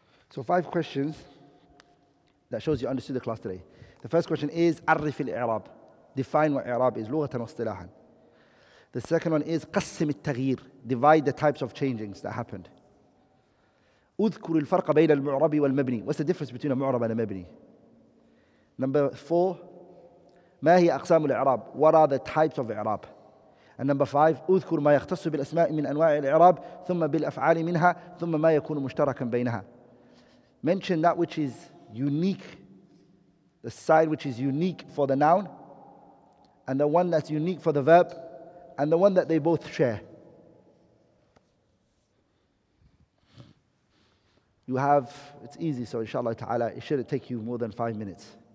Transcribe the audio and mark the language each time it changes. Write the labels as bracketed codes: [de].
[en] So five questions that shows you understood the class today. The first question is [ar] عرف الإعراب. [en] Define what إعراب is, [ar] لغة واصطلاحا. [en] The second one is [ar] قسم التغيير. [en] Divide the types of changings that happened. [ar] اذكر الفرق بين المعرب والمبني. [en] What's the difference between a معرب and a مبني? Number four, [ar] ما هي أقسام الإعراب? [en] What are the types of إعراب? And number five, [ar] اذكر ما يختص بالأسماء من أنواع الإعراب ثم بالأفعال منها ثم ما يكون مشتركا بينها. [en] Mention that which is unique, the side which is unique for the noun, and the one that's unique for the verb, and the one that they both share. You have, it's easy, so inshallah ta'ala, it shouldn't take you more than 5 minutes.